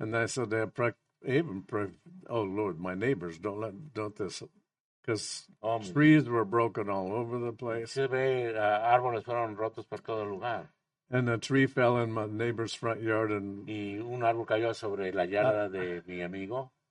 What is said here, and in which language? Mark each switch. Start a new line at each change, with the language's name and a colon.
English: And I said, I even pray, oh Lord, my neighbors, don't this, because trees were broken all over the place.
Spanish: Se ve, árboles fueron rotos por todo el lugar.
English: And a tree fell in my neighbor's front yard. And
Spanish: y un árbol cayó sobre la yarda de mi amigo.